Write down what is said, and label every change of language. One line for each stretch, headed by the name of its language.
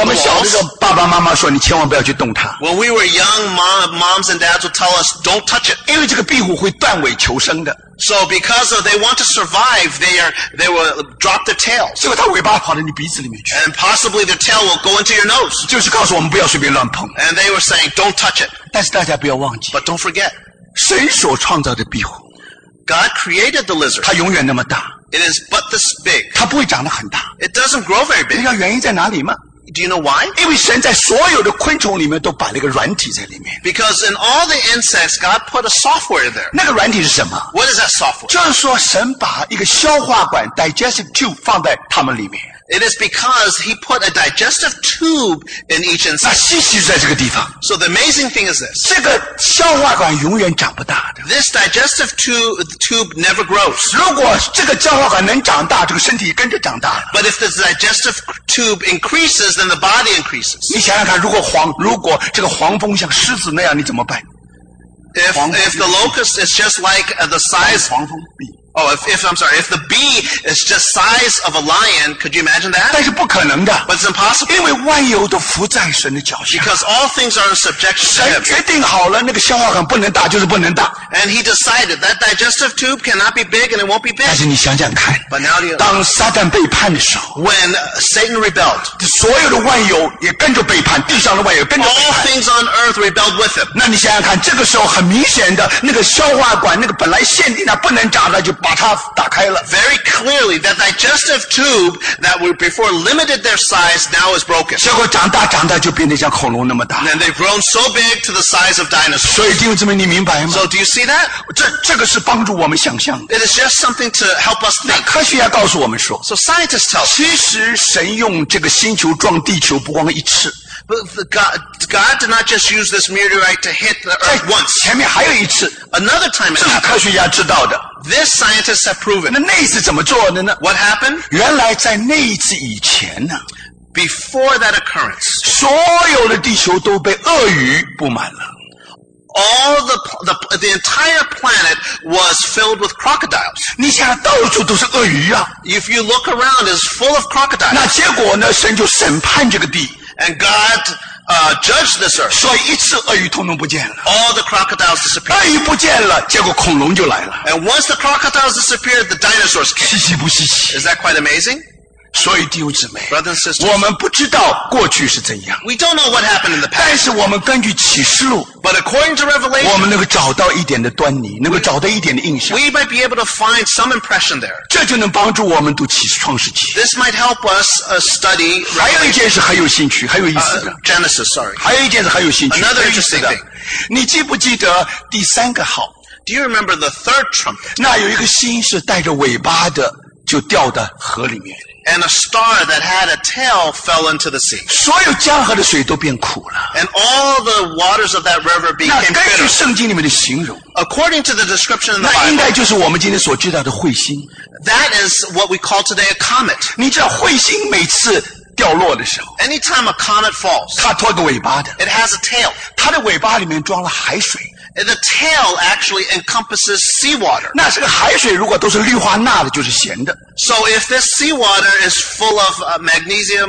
Chinese: 我们小时候爸爸妈妈说你千万不要去动它
English: When we were young moms and dads would tell us don't touch it
Chinese: 因为这个壁虎会断尾求生的
English: So because they want to survive they will drop their tails
Chinese: 结果它尾巴跑到你鼻子里面去
English: And possibly their tail will go into your nose
Chinese: 就是告诉我们不要随便乱碰
English: And they were saying don't touch it
Chinese: 但是大家不要忘记
English: But don't forget
Chinese: 神所创造的壁虎
English: God created the lizard
Chinese: 它永远那么大
English: It is but this big
Chinese: 它不会长得很大
English: It doesn't grow very big
Chinese: 你知道原因在哪里吗
English: Do you know why?
Chinese: 因为神在所有的昆虫里面都摆了一个软体在里面
English: Because in all the insects God put a software there
Chinese: 那个软体是什么
English: What is that software?
Chinese: 就是说神把一个消化管 digestive tube 放在它们里面
English: It is because he put a digestive tube in each insect
Chinese: 那息息在这个地方
English: So the amazing thing is this
Chinese: 这个消化管永远长不大的
English: This digestive tube never grows
Chinese: 如果这个消化管能长大这个身体跟着长大了
English: But if the digestive tube increases then the body increases
Chinese: 你想想看如果这个黄蜂像狮子那样你怎么办
English: If the locust is just like the size
Chinese: 黄蜂比
English: Oh, I'm sorry, if the bee is just size of a lion, could you imagine that?
Chinese: 但是不可能的。
English: But it's impossible.
Chinese: 因为万有都伏在神的脚下。
English: Because all things are in subjection to him.
Chinese: 神决定好了那个消化管不能大就是不能大。
English: And he decided that digestive tube cannot be big and it won't be big.
Chinese: 但是你想想看。
English: But now
Chinese: 当撒旦背叛的时候。
English: When Satan rebelled.
Chinese: 所有的万有也跟着背叛地上的万有跟着背叛。
English: All things on earth rebelled with him.
Chinese: 那你想想看这个时候很明显的那个消化管那个本来限定的不能长的就把它打开了。
English: Very clearly, that digestive tube that we before limited their size now is broken.
Chinese: 结果长大长大就变得像恐龙那么大。
English: And they've grown so big to the size of dinosaurs.
Chinese: 所以弟兄姊妹你明白吗
English: So do you see that?
Chinese: 这个是帮助我们想象的。
English: It is just something to help us think.
Chinese: 那科学家告诉我们说。
English: So scientists tell us.
Chinese: 其实神用这个星球撞地球不光一次。
English: But God did not just use this meteorite to hit the earth once.
Chinese: 前面还有一次。
English: Another time it happened.
Chinese: 这是科学家知道的。
English: This scientists have proven.
Chinese: 那一次怎么做的呢？
English: What happened?
Chinese: 原来在那一次以前呢。
English: Before that occurrence.
Chinese: 所有的地球都被鳄鱼布满了。
English: All the entire planet was filled with crocodiles.
Chinese: 你想到处都是鳄鱼啊。
English: If you look around, it's full of crocodiles.
Chinese: 那结果呢，神就审判这个地。
English: And God, judged this earth.
Chinese: 所以一次鳄鱼通通不见了。
English: All the crocodiles disappeared.
Chinese: 鳄鱼不见了，结果恐龙就来了。
English: And once the crocodiles disappeared, the dinosaurs came.
Chinese: 稀奇不稀奇。
English: Is that quite amazing?
Chinese: 所以弟兄姊妹
English: Brothers and sisters,
Chinese: 我们不知道过去是怎样
English: We don't know what happened in the past,
Chinese: 但是我们根据启示录
English: But according to Revelation,
Chinese: 我们能够找到一点的端倪 能够找到一点的印象
English: We might be able to find some impression there.
Chinese: 这就能帮助我们读启示创世纪
English: This might help us study Revelation.
Chinese: 还有一件事很有兴趣很有意思的
English: Genesis, sorry.
Chinese: 还有一件事很有兴趣
English: Another interesting thing.
Chinese: 你记不记得第三个号
English: Do you remember the third trumpet?
Chinese: 那有一个星是带着尾巴的就掉到河里面
English: And a star that had a tail fell into the sea.
Chinese: 所有江河的水都变苦了。
English: And all the waters of that river became bitter.
Chinese: 那根据圣经里面的形容。
English: According to the description in the Bible.
Chinese: 那应该就是我们今天所知道的彗星。
English: That is what we call today a comet.
Chinese: 你知道彗星每次掉落的时候。
English: Anytime a comet falls.
Chinese: 它拖个尾巴的。
English: It has a tail.
Chinese: 它的尾巴里面装了海水。
English: The tail actually encompasses seawater.
Chinese: 那这个海水如果都是氯化钠的，就是咸的。
English: So if this seawater is full of magnesium,